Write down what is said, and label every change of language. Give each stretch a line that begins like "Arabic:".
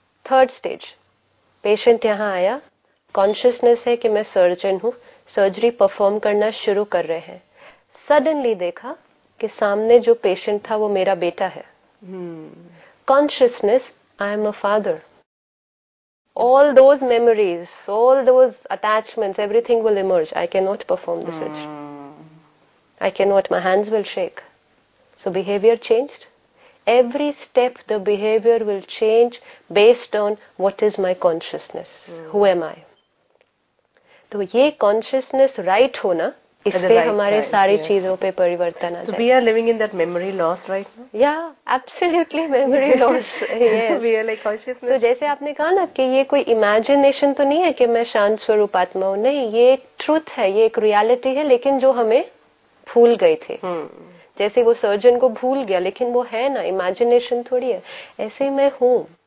Hindi: Third stage, patient यहाँ आया, consciousness है कि मैं सर्जन हूँ, सर्जरी परफॉर्म करना शुरू कर रहे हैं, सडनली देखा कि सामने जो पेशेंट था वो मेरा बेटा है.
English: Consciousness I am a father, all those memories, all those attachments, everything will emerge, I can not perform the surgery, I can not, my hands will shake, so behaviour changed. Every step the behavior will change based on what is my consciousness. Who am I?
Hindi: तो ये consciousness right हो ना, इससे हमारे सारी चीजों पे परिवर्तन आ जाए.
English: We are living in that memory loss right now. Yeah, absolutely memory loss. We are like consciousness.
Hindi: तो जैसे आपने कहा ना कि ये कोई imagination तो नहीं है कि मैं शांत स्वरूप आत्मा हूँ, नहीं, ये एक truth है, ये एक reality है, लेकिन जो हमें भूल गए थे. जैसे वो सर्जन को भूल गया, लेकिन वो है ना, इमेजिनेशन थोड़ी है, ऐसे ही मैं हूं.